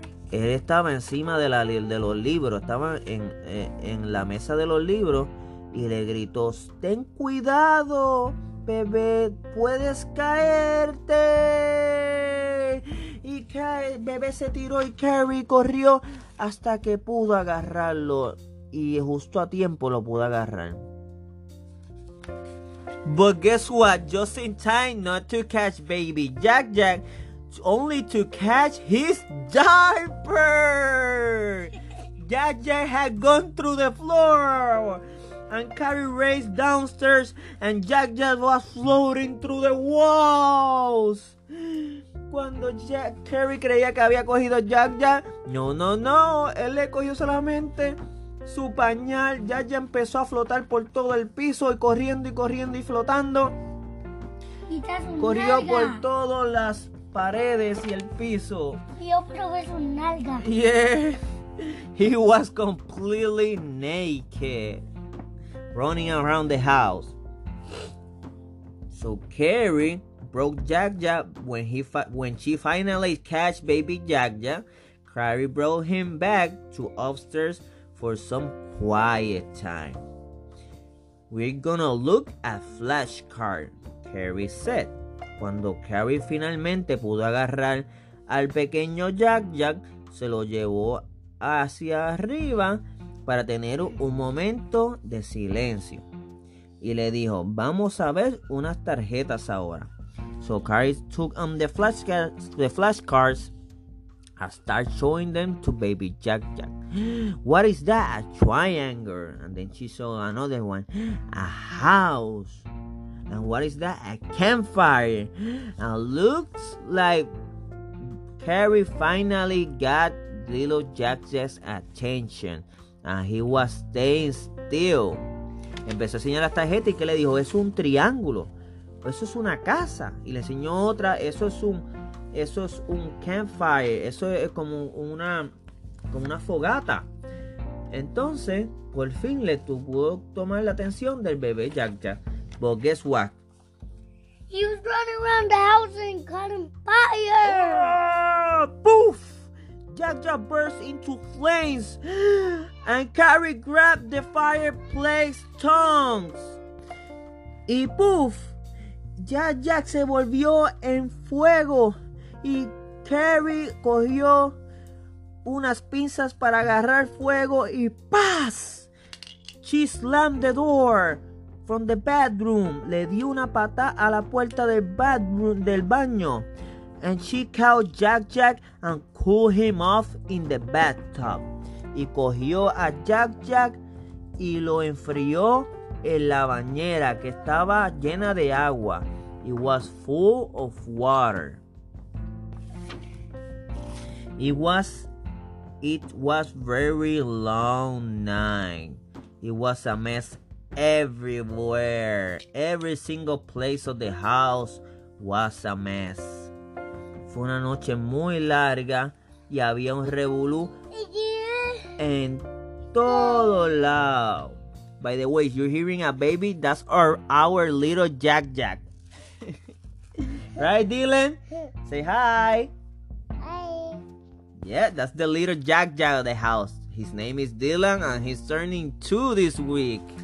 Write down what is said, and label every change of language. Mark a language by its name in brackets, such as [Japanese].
[Spanish] Él estaba encima de los libros, estaba en la mesa de los libros y le gritó, ten cuidado, bebé, puedes caerte. Y el bebé se tiró y Carrie corrió hasta que pudo agarrarlo y justo a tiempo lo pudo agarrar. [English] But guess what, just in time not to catch baby Jack-Jack, only to catch his diaper. Jack-Jack had gone through the floor and Carrie raced downstairs and Jack-Jack was floating through the walls. [Spanish] Cuando Carrie creía que había cogido Jack-Jack, no, él le cogió solamente su pañal ya empezó a flotar por todo el piso y corriendo y flotando. Corrió por todas las paredes y el piso. Yo probé su nalga. [English] Yeah. He was completely naked, running around the house. So Carrie broke Jack-Jack when she finally catched baby Jack-Jack. Carrie brought him back to upstairs for some quiet time. We're gonna look at flashcards, Carrie said. [Spanish] Cuando Carrie finalmente pudo agarrar al pequeño Jack-Jack, se lo llevó hacia arriba para tener un momento de silencio. Y le dijo, vamos a ver unas tarjetas ahora. [English] So Carrie took the flashcards and started showing them to baby Jack-Jack. What is that? A triangle. And then she saw another one. A house. And what is that? A campfire. And looks like Carrie finally got little Jack-Jack's attention. And he was staying still. [Spanish] Empezó a enseñar las tarjetas y que le dijo, es un triángulo. Eso es una casa. Y le enseñó otra, eso es un campfire. Eso es como una fogata. Entonces, por fin le tuvo tomar la atención del bebé Jack-Jack. [English] But guess what? He was running around the house and caught fire. Poof! Jack-Jack burst into flames. And Carrie grabbed the fireplace tongs. [Spanish] Y poof! Jack-Jack se volvió en fuego. Y Carrie cogió unas pinzas para agarrar fuego. Y ¡paz! [English] She slammed the door from the bedroom. [Spanish] Le dio una pata a la puerta del bathroom, del baño. [English] And she called Jack-Jack and cooled him off in the bathtub. [Spanish] Y cogió a Jack-Jack y lo enfrió en la bañera que estaba llena de agua. [English] It was full of water. It was very long night. It was a mess everywhere. Every single place of the house was a mess. [Spanish] Fue una noche muy larga y había un revolú en todo lado. [English] By the way, you're hearing a baby, that's our little Jack-Jack. Right, Dylan? Say hi. Hi. Yeah, that's the little Jack-Jack of the house. His name is Dylan and he's turning 2 this week.